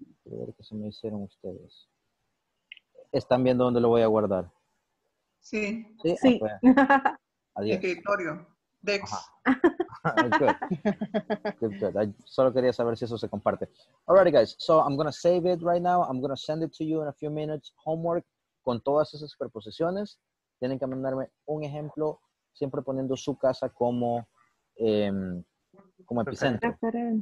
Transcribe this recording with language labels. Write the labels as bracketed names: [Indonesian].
[Spanish] A ver qué se me hicieron ustedes. ¿Están viendo dónde lo voy a guardar? Sí. Sí. Sí. Ah, pues. Adiós. Escritorio. Dex. [English] Good. [Spanish] I solo quería saber si eso se comparte. [English] Alrighty, guys. So I'm going to save it right now. I'm going to send it to you in a few minutes. [Spanish] Homework con todas esas preposiciones. Tienen que mandarme un ejemplo, siempre poniendo su casa como como epicentro, referente.